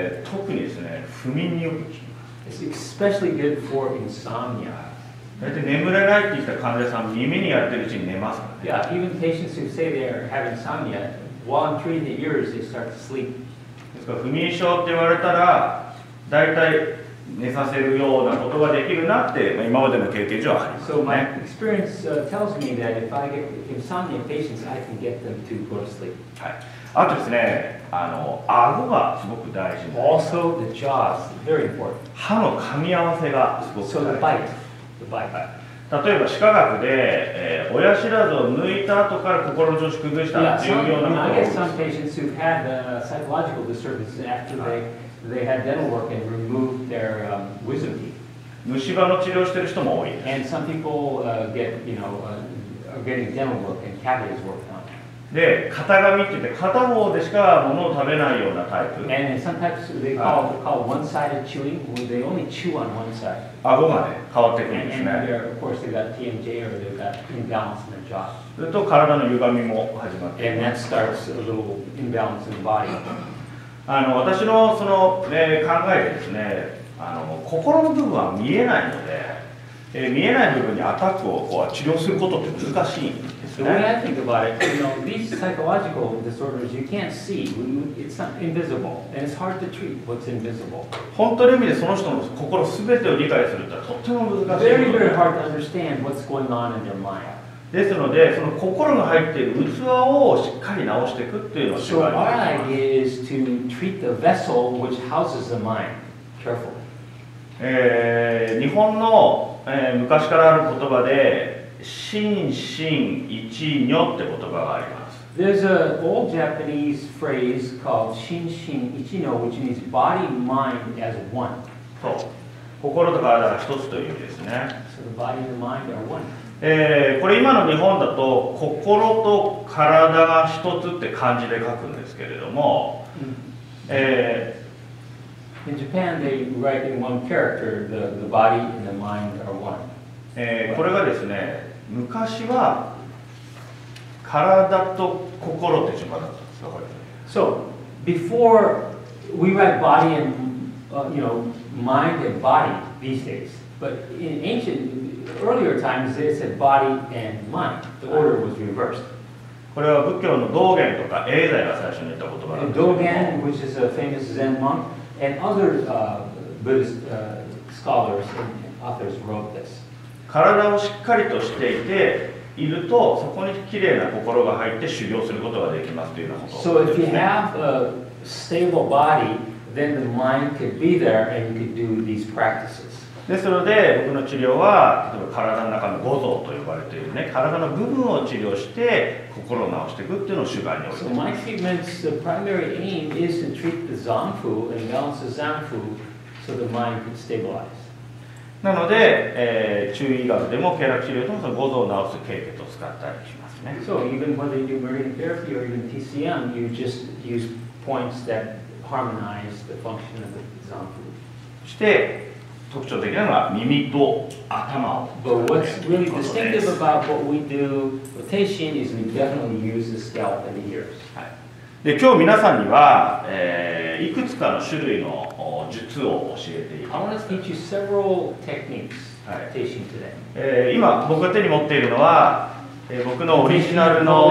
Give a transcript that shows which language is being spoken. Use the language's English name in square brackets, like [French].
[Japanese] 特にですね、不眠によく効きます。 [English] It's especially good for insomnia. [Japanese] 大体眠れないって言った患者さん、耳にやってるうちに寝ますからね。 [English] Yeah, even patients who say they have insomnia,While I'm treating the ears, they start to sleep. [Japanese] ですから不眠症って言われたら、だいたい寝させるようなことができるなって、まあ、今までの経験上はありますね。 [English] So my experience tells me that if I get insomnia patients, I can get them to go to sleep. [Japanese] はい。あとですね、顎がすごく大事です。 [English] Also the jaw is very important. [Japanese] 歯の噛み合わせがすごく大事です。 [English] So the bite. The bite. [Japanese] 例えば歯科学で、親知らずを抜いた後から心の調子を崩したっていうようなことが多いです。 [English] I guess some patients who've had psychological disturbances after they had dental work and removed their wisdom teeth. [Japanese] 虫歯の治療してる人も多いです。 [English] And some people get, you know, are getting dental work and cavities worked on. [Japanese] で、型紙って言って片方でしか物を食べないようなタイプ。 [English] And sometimes they call one-sided chewing, where they only chew on one side. [Japanese] 顎がね、変わってくるんですね。 [English] And they're, of course, they've got TMJ or they've got imbalance in their jaw. [Japanese] それと体の歪みも始まって。 [English] And that starts a little imbalance in the body. [Japanese] 私のその、考えでですね、心の部分は見えないので、見えない部分にアタックをこう治療することって難しい。 [English] The way I think about it, you know, these psychological disorders, you can't see. It's not invisible, and it's hard to treat what's invisible. [Japanese] 本当の意味でその人の心すべてを理解するってとっても難しいこと。 [English] Very, very hard to understand what's going on in their mind. [Japanese] ですので、その心が入っている器をしっかり直していくっていうのが重要です。 [English] So our idea is to treat the vessel which houses the mind carefully. [Japanese] 日本の、昔からある言葉で、心身一如って言葉があります。 [English] There's an old Japanese phrase called 心身一如 which means body mind as one. [Japanese] そう。心と体が一つという意味ですね。 [English] So the body and the mind are one. [Japanese] これ今の日本だと心と体が一つって漢字で書くんですけれども、 [English] In Japan they write in one character the body and the mind are one. [Japanese] これがですね、昔は体と心って順番だったんですよ。 [English] So, before we write body and, you know, mind and body these days. But in ancient, earlier times, they said body and mind. The order was reversed. [Japanese] これは仏教の道元とか永在が最初に言った言葉なんですけども。 [English] 道元, which is a famous Zen monk, and other Buddhist scholars and authors wrote this. [Japanese] 体をしっかりとしていていると、そこに綺麗な心が入って修行することができますというようなことです、ね。 [English] So if you have a stable body, then the mind could be there and you could do these practices. [Japanese] ですので、僕の治療は、例えば体の中の五臓と呼ばれているね、体の部分を治療して心を治していくっていうのを主眼に置いています [English] 。So my treatment's primary aim is to treat the zanfu and balance the zanfu so the mind can stabilize. [Japanese] なので、中医学でも経絡治療でもその五臓を治す経血を使ったりしますね。 [English] So even whether you do meridian therapy or even TCM, you just use points that harmonize the function of the zanfu. [Japanese] そして特徴的なのが耳と頭を。 [English] But what's really distinctive about what we do with Teishin is we definitely use the scalp and the ears. [Japanese] はい。で今日皆さんには、いくつかの種類の術を教えています [English] 。I want to teach you several techniques for teaching today. [Japanese] 今僕が手に持っているのは、僕のオリジナルの